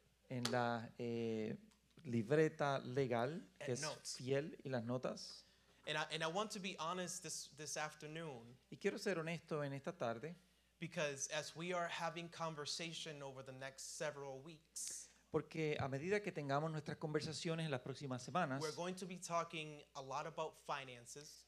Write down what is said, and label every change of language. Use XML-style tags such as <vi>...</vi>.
<es>En la libreta legal, que es fiel, y las notas.</es> <en>And I want to be honest this afternoon.</en> <es>Y quiero ser honesto en esta tarde.</es> <en>Because as we are having conversation over the next several weeks.</en> <es>Porque a medida que tengamos nuestras conversaciones en las próximas semanas,</es> <en>we're going to be talking a lot about finances.</en>